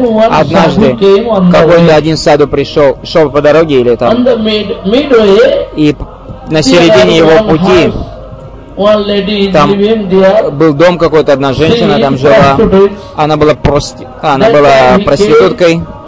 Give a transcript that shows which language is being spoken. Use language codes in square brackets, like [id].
[ru] Однажды какой-то один саду пришел, шел по дороге или там, и на середине его пути [en] One lady is [ru] там [en] living there. [ru] Был дом какой-то, одна женщина там жила. Она была проституткой.